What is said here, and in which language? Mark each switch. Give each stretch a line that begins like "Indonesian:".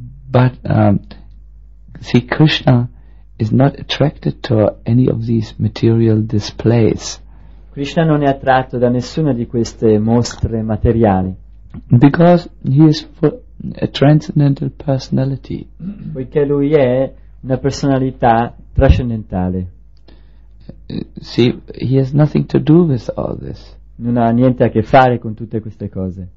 English: But Krishna is not attracted to any of these material displays.
Italian: Krishna non è attratto da nessuna di queste mostre materiali.
English: Because he is a transcendental personality.
Italian: Poiché lui è una personalità trascendentale.
English: See, he has nothing to do with all this.
Italian: Non ha niente a che fare con tutte queste cose.